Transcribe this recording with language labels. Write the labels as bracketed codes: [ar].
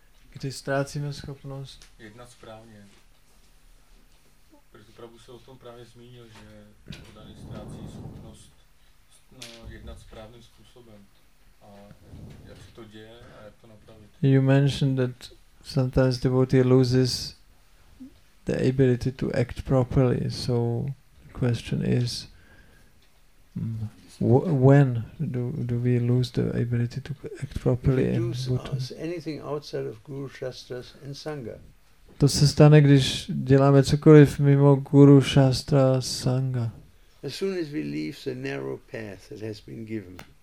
[cs] Když ztrácíme schopnost jednat správně. Protože Prabhu se o tom právě zmínil, že Prabhu ztrácí schopnost jednat správným způsobem. A jak se to děje a jak to napravit? [en] You mentioned that sometimes devotee loses the ability to act properly. So the question is, when do we lose the ability to act properly in anything outside of Guru Shastras and Sangha? [cs] To se stane, když děláme cokoliv mimo Guru Shastra Sangha. [en] As soon as we leave the narrow path that has been given.